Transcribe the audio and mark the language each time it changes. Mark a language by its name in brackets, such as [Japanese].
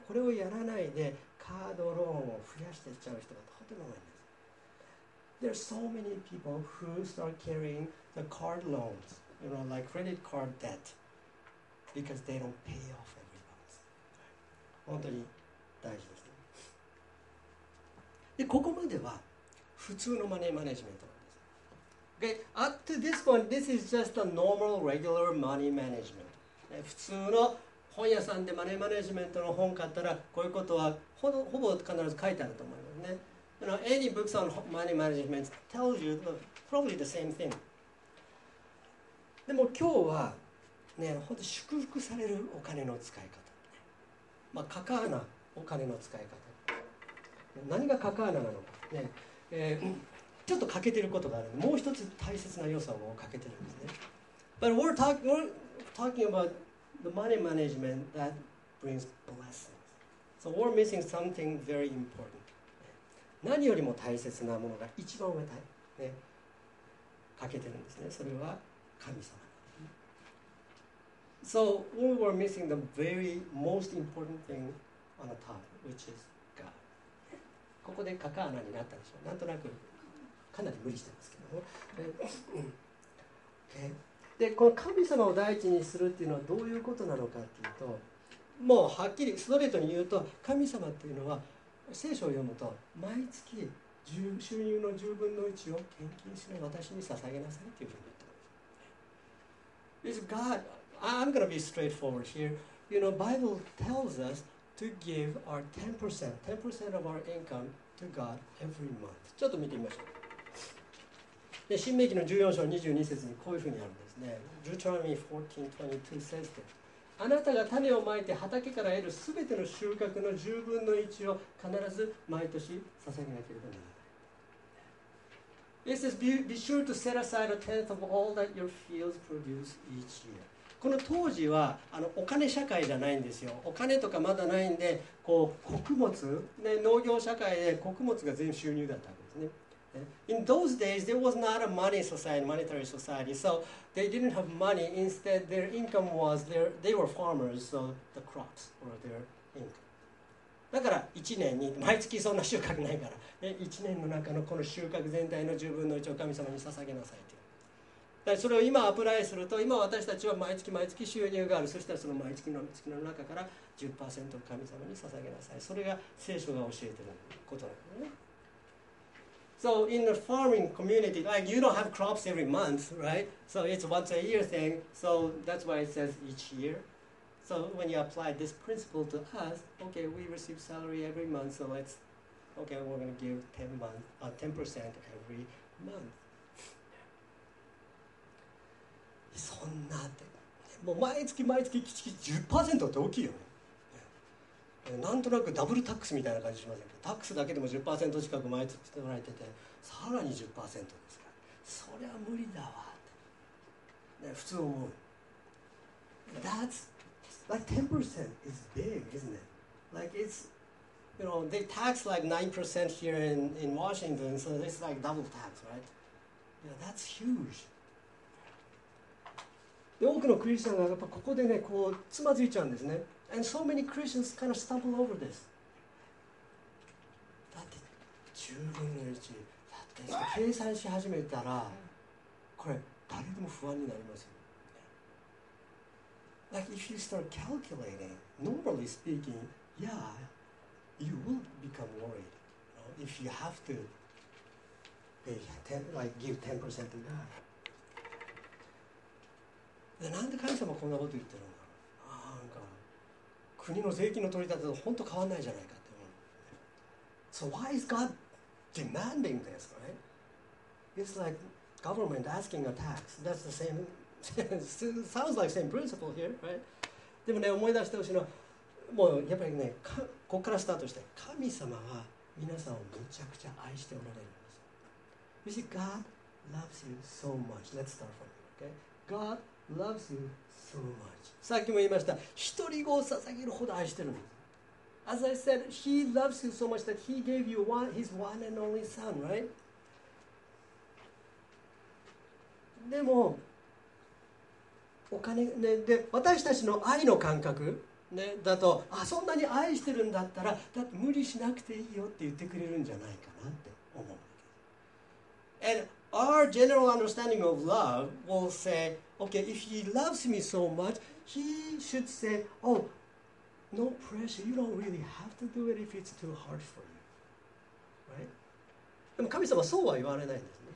[Japanese] これをやらないでカードローンを増やしていっちゃう人がとても多いんです。 [English] There are so many people who start carrying the card loans, you know, like credit card debt. Because they don't pay off every month. [Japanese] 本当に大事です、ね、でここまでは普通のマネーマネジメントなんです。 [English] Okay, up to this point, this is just a normal, regular money management. [Japanese] 普通の本屋さんでマネーマネジメントの本買ったらこういうことはほぼ必ず書いてあると思いますね。 [English] You know, any books on money management tells you probably the same thing. [Japanese] でも今日はね、本当祝福されるお金の使い方、まあ、カカーナお金の使い方、何がカカーナなのか、ね、ちょっと欠けてることがあるので、もう一つ大切な要素を欠けてるんですね。 [English] But we're talking about the money management that brings blessings. So we're missing something very important. [Japanese] 何よりも大切なものが一番上に、ね、欠けてるんですね。それは神様。 [English] So we were missing the very most important thing on the top, which is God. [Japanese] ここでカカーナになったでしょう。なんとなくかなり無理してますけども。で、この神様を第一にするっていうのはどういうことなのかっていうと、もうはっきりストレートに言うと、神様っていうのは聖書を読むと、毎月収入の10分の1を献金する私に捧げなさいっていうふうに言ってます。 [English] Is God? I'm going to be straightforward here. You know, Bible tells us to give our 10%, 10% of our income to God every month. [Japanese] ちょっと見てみましょう。で、新命記の14章22節にこういうふうにあるんですね。 [English] Deuteronomy 14:22 says that, [Japanese] あなたが種をまいて畑から得るすべての収穫の10分の1を必ず毎年捧げなければならない。 [English] It says, be sure to set aside a tenth of all that your fields produce each year. [Japanese] この当時はあのお金社会じゃないんですよ。お金とかまだないんで、こう穀物、ね、農業社会で穀物が全部収入だったわけですね。 [English] In those days, there was not a money society, monetary society, so they didn't have money. Instead, their income was they were farmers, so the crops were their income. [Japanese] だから1年に、毎月そんな収穫ないから、ね、1年の中のこの収穫全体の10分の1を神様に捧げなさいという。それを今アプライすると、今私たちは毎月毎月収入がある。そしたらその毎月の月の中から 10% を神様に捧げなさい。それが聖書が教えていることなのね。 [English] So in the farming community, like you don't have crops every month, right? So it's once a year thing. So that's why it says each year. So when you apply this principle to us, okay, we receive salary every month. So let's, okay, we're going to give 10% every month. [Japanese] そんなってもう毎月毎月キチキチ 10% って大きいよね。なんとなくダブルタックスみたいな感じしませんか。タックスだけでも 10% 近く毎月取られてて、さらに 10% ですから、そりゃ無理だわって、ね、普通思う。 [English] That's like 10% is big, isn't it? Like it's, you know, they tax like 9% here in Washington, so it's like double tax, right? Yeah, that's huge [Japanese] で、多くのクリスチャンがやっぱここでね、こうつまずいちゃうんですね。 [English] And so many Christians kind of stumble over this. [Japanese] だって10分の1、だって計算し始めたら、これ誰でも不安になりますよ。 [English] Like if you start calculating, normally speaking, yeah, you will become worried, you know, if you have to pay, like give 10% to God. [Japanese] で、なんで神様こんなこと言ってるんだろう、なんか国の税金の取り立てと本当変わんないじゃないかって思う。 [English] So why is God demanding this, right? It's like government asking a tax. That's the same, sounds like same principle here, right? [Japanese] でもね、思い出してほしいのは、もうやっぱりね、ここからスタートして、神様は皆さんをむちゃくちゃ愛しておられるんです。 [English] You see, God loves you so much. Let's start from here, okay? God loves you so much. [Japanese] さっきも言いました、一人子を捧げるほど愛してるんです。 [English] As I said, He loves you so much that He gave you one, His one and only Son, right? [Japanese] でも、お金、ね、で、私たちの愛の感覚、ね、だと、あ、そんなに愛してるんだったら、だって無理しなくていいよって言ってくれるんじゃないかなって思うわけ。 [English] And our general understanding of love will say, okay, if He loves me so much, He should say, oh,No pressure. You don't really have to do it if it's too hard for you, right? [Japanese] でも神様はそうは言われないんですね。